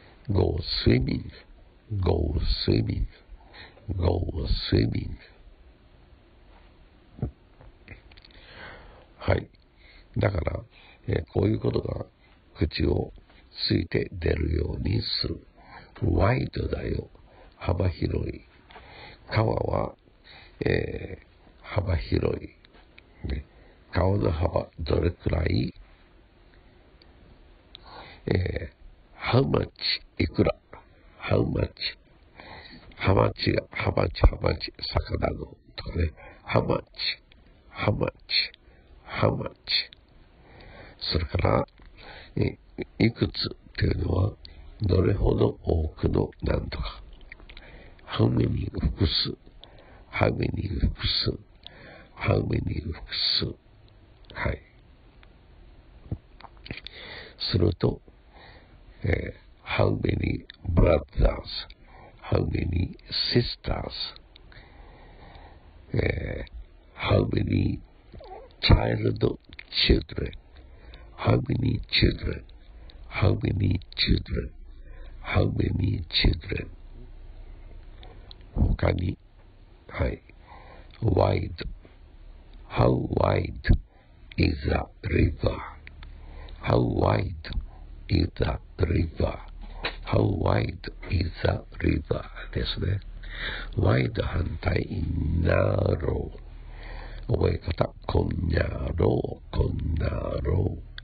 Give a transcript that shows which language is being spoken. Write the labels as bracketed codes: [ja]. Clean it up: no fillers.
[en] Go swimming, go swimming, go swimming。 [ja] はい。だから、こういうことが口をついて出るようにする。ワイドだよ、幅広い。川は、幅広い、ね、川の幅どれくらい、How much、 いくら、 [en] How much、 How much、 How much、 How much、 [ja] 魚のとかね、 How much、 How much、 How much。 それからいくつというのはどれほど多くのなんとか。 [en] How many 複数。How many 複数。 How many 複数。はい。すると、How many brothers? How many sisters? How many child children? How many children? How many children? How many children? [ja] 他に、はい、 [en] wide. How wide is the river? How wide is the river? How wide is the river? [ja] ですね。 [en] Wide 反対 narrow。 [ja] 覚え方、こんにゃろう、こんなろう。